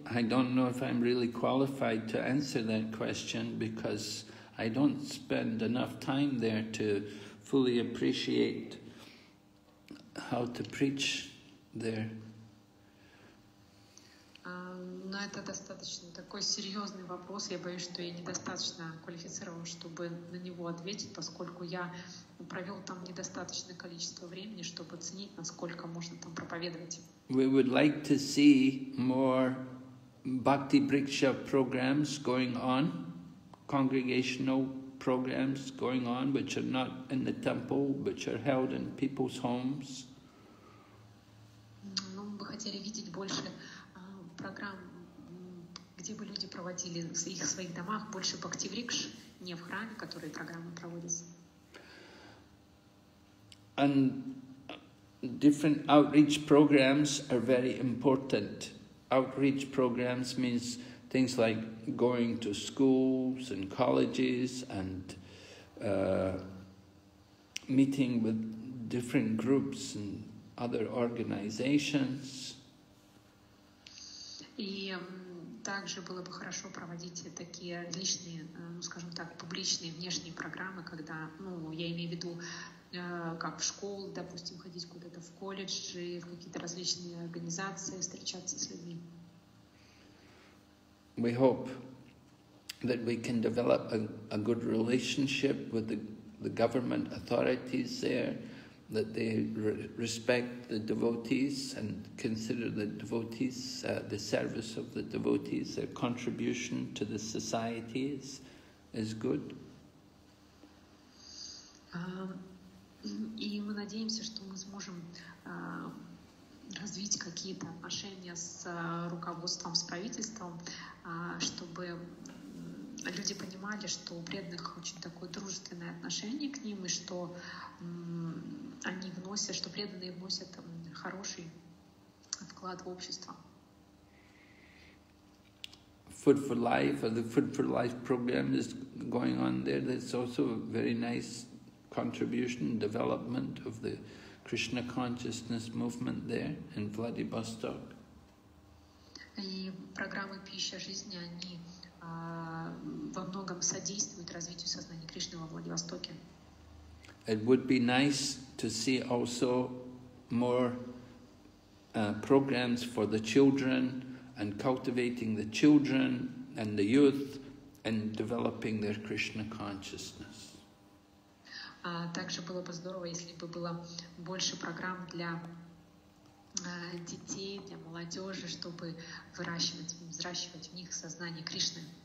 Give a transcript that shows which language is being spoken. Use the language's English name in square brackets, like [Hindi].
[English] I don't know if I'm really qualified to answer that question because I don't spend enough time there to fully appreciate how to preach there. [Russian] Но это достаточно такой серьезный вопрос. Я боюсь, что я недостаточно квалифицирован, чтобы на него ответить, поскольку я провел там недостаточное количество времени, чтобы оценить, насколько можно там проповедовать. [English] We would like to see more Bhakti Briksha programs going on, congregational programs going on, which are not in the temple, which are held in people's homes. [Russian] Ну, мы бы хотели видеть больше программ, где бы люди проводили в своих домах больше Bhakti Briksh, не в храме, которые программы проводятся. [English] And different outreach programs are very important. Outreach programs means things like going to schools and colleges and meeting with different groups and other organizations. [Russian] И также было бы хорошо проводить такие личные, ну, скажем так, публичные внешние программы, когда, ну, я имею в виду, как в школу, допустим, ходить куда-то в колледжи, в какие-то различные организации, встречаться с людьми. [English] We hope that we can develop a good relationship with the government authorities there, that they respect the devotees and consider the devotees, the service of the devotees, their contribution to the society is good. [Russian] И мы надеемся, что мы сможем развить какие-то отношения с руководством, с правительством, чтобы люди понимали, что у преданных очень такое дружественное отношение к ним, и что они вносят, что преданные вносят хороший вклад в общество. [English] Food for Life, or the Food for Life program is going on there. That's also very nice contribution, development of the Krishna consciousness movement there in Vladivostok. [Russian] И программы «Пища жизни», они во многом содействуют развитию сознания Кришны во Владивостоке. [English] It would be nice to see also more programs for the children and cultivating the children and the youth and developing their Krishna consciousness. [Russian] Также было бы здорово, если бы было больше программ для детей, для молодежи, чтобы взращивать в них сознание Кришны.